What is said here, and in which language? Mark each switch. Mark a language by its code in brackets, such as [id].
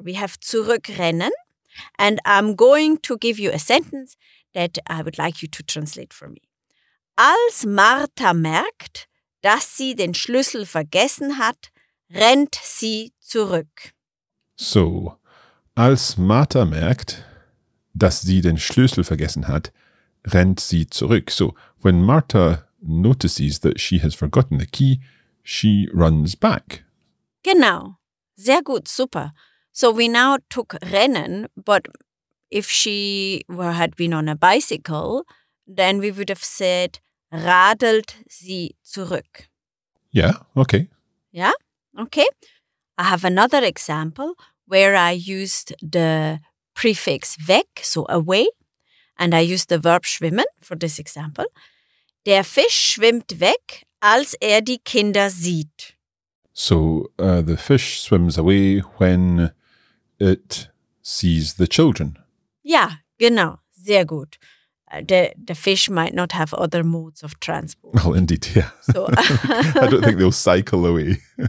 [en] We have zurückrennen, and I'm going to give you a sentence that I would like you to translate for me. [de] Als Martha merkt, dass sie den Schlüssel vergessen hat, rennt sie zurück. So, als Martha merkt, dass sie den Schlüssel vergessen hat, rennt sie zurück. [en] So, when Martha notices that she has forgotten the key, she runs back. [de] Genau. Sehr gut. Super. [en] So we now took rennen, but if she were, had been on a bicycle, then we would have said [de] radelt sie zurück. [en] Yeah. Okay. Yeah. Okay. I have another example where I used the prefix weg, so away, and I used the verb schwimmen for this example. [de] Der Fisch schwimmt weg, als die Kinder sieht. [en] So, the fish swims away when it sees the children. [de] Yeah, genau. Sehr gut. [en] The fish might not have other modes of transport. Well, indeed, yeah. So, I don't think they'll cycle away.